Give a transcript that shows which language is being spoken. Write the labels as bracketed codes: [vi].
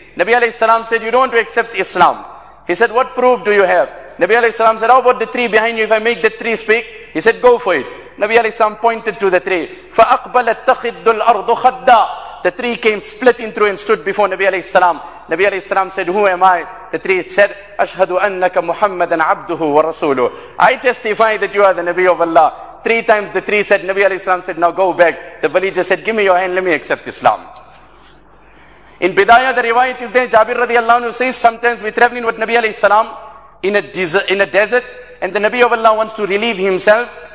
[en] Nabi alayhi salam said, you don't want to accept Islam. He said, what proof do you have? Nabi alayhi salam said, how about the tree behind you? If I make the tree speak, he said, go for it. Nabi alayhi salam pointed to the tree. [ar] فَأَقْبَلَتْ تَخِدُّ الْأَرْضُ خَدَّا. [en] The tree came splitting through and stood before Nabi alayhi salam. Nabi alayhi salam said, who am I? The tree said, [ar] أَشْهَدُ أَنَّكَ مُحَمَّدًا عَبْدُهُ وَرَسُولُهُ. [en] I testify that you are the Nabi of Allah. Three times the tree said, Nabi alayhi salam said, now go back. The villager said, give me your hand, let me accept Islam. In Bidaya, the riwayat is there, Jabir radiallahu anhu says, sometimes we're traveling with Nabi alayhi salam in a desert, and the Nabi of Allah wants to relieve himself.